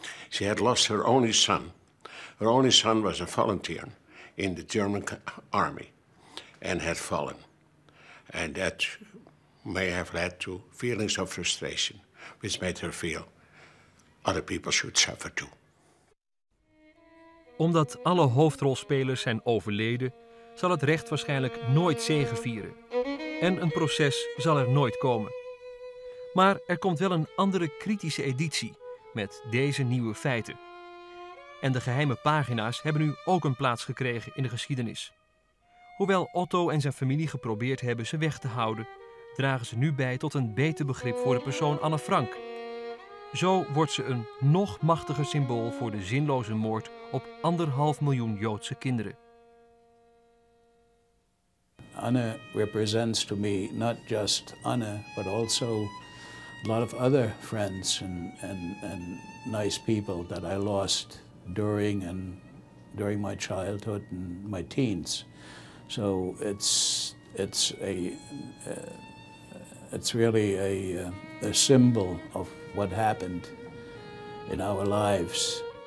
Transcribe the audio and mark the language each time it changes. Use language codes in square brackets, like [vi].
[en] She had lost her only son. Her only son was a volunteer in the German army and had fallen. And that may have led to feelings of frustration, which made her feel other people should suffer too. [nl] Omdat alle hoofdrolspelers zijn overleden, zal het recht waarschijnlijk nooit zegevieren. En een proces zal er nooit komen. Maar er komt wel een andere kritische editie met deze nieuwe feiten. En de geheime pagina's hebben nu ook een plaats gekregen in de geschiedenis. Hoewel Otto en zijn familie geprobeerd hebben ze weg te houden, dragen ze nu bij tot een beter begrip voor de persoon Anne Frank. Zo wordt ze een nog machtiger symbool voor de zinloze moord op 1,5 miljoen Joodse kinderen. [en] Anne represents to me not just Anne, but also a lot of other friends and nice people that I lost during my childhood and my teens. So it's really a symbol of what happened in our lives.